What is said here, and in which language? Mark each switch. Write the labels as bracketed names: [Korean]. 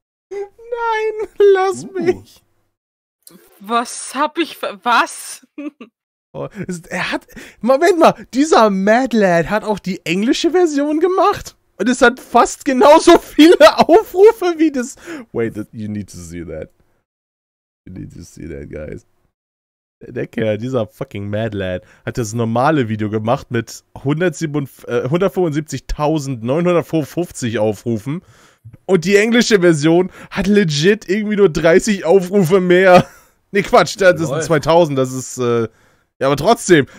[German] Nein, lass mich! Was hab ich ver... Was? Moment mal, dieser Mad Lad hat auch die englische Version gemacht und es hat fast genauso viele Aufrufe wie das... [English] Wait, you need to see that. You need to see that, guys. [German] Der Kerl, dieser fucking Mad Lad, hat das normale Video gemacht mit 175.955 Aufrufen. Und die englische Version hat legit irgendwie nur 30 Aufrufe mehr. Nee, Quatsch, das ist ein 2000, das ist, ja, aber trotzdem.